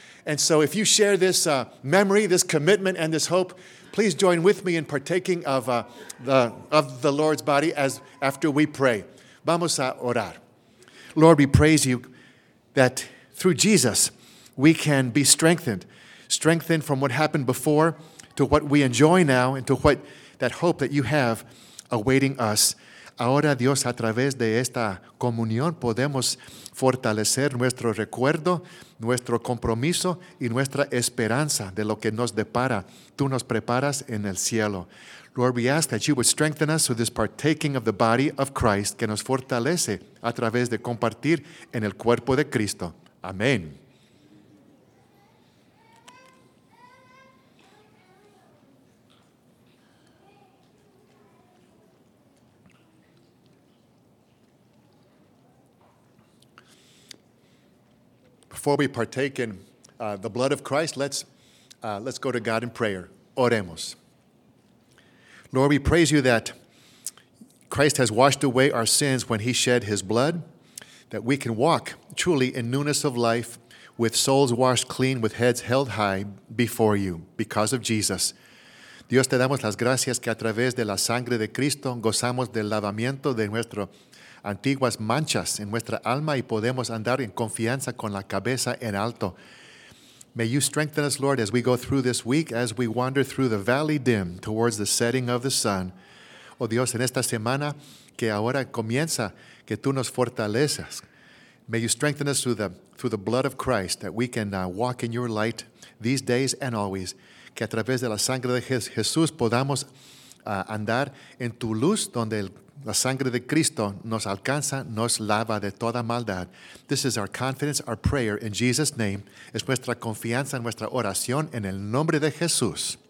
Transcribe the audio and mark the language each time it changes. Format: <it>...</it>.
<en>And so if you share this memory, this commitment, and this hope, please join with me in partaking of the Lord's body as after we pray.</en> <es>Vamos a orar.</es> <en>Lord, we praise you that through Jesus we can be strengthened from what happened before to what we enjoy now and to what that hope that you have awaiting us.</en> <es>Ahora Dios, a través de esta comunión, podemos fortalecer nuestro recuerdo, nuestro compromiso y nuestra esperanza de lo que nos depara. Tú nos preparas en el cielo.</es> <en>Lord, we ask that you would strengthen us through this partaking of the body of Christ,</en> <es>que nos fortalece a través de compartir en el cuerpo de Cristo. Amén.</es> <en>Before we partake in the blood of Christ, let's go to God in prayer.</en> <es>Oremos.</es> <en>Lord, we praise you that Christ has washed away our sins when he shed his blood, that we can walk truly in newness of life with souls washed clean, with heads held high before you because of Jesus.</en> <es>Dios, te damos las gracias que a través de la sangre de Cristo gozamos del lavamiento de nuestro antiguas manchas en nuestra alma y podemos andar en confianza con la cabeza en alto.</es> <en>May you strengthen us, Lord, as we go through this week, as we wander through the valley dim towards the setting of the sun.</en> <es>Oh Dios, en esta semana que ahora comienza, que tú nos fortalezas.</es> <en>May you strengthen us through the blood of Christ, that we can walk in your light these days and always.</en> <es>Que a través de la sangre de Jesús podamos andar en tu luz, donde la sangre de Cristo nos alcanza, nos lava de toda maldad.</es> <en>This is our confidence, our prayer in Jesus' name.</en> <es>Es nuestra confianza, nuestra oración en el nombre de Jesús.</es>